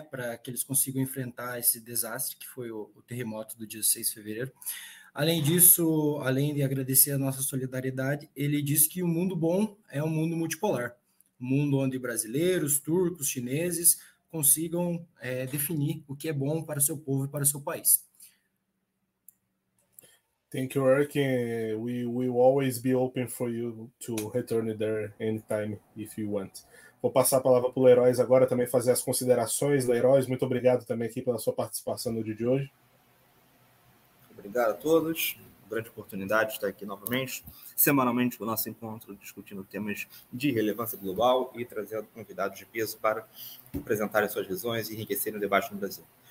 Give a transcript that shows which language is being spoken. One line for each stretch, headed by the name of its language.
Portuguese: Para que eles consigam enfrentar esse desastre que foi o terremoto do dia 6 de fevereiro. Além disso, além de agradecer a nossa solidariedade, ele disse que o mundo bom é um mundo multipolar, um mundo onde brasileiros, turcos, chineses consigam definir o que é bom para o seu povo e para o seu país.
English: Thank you, Eric. We will always be open for you to return there anytime if you want.
Portuguese: Vou passar a palavra para o Leróis agora também fazer as considerações. Leróis, muito obrigado também aqui pela sua participação no dia de hoje. Obrigado a todos, grande oportunidade de estar aqui novamente, semanalmente, com o nosso encontro, discutindo temas de relevância global e trazendo convidados de peso para apresentarem suas visões e enriquecerem o debate no Brasil.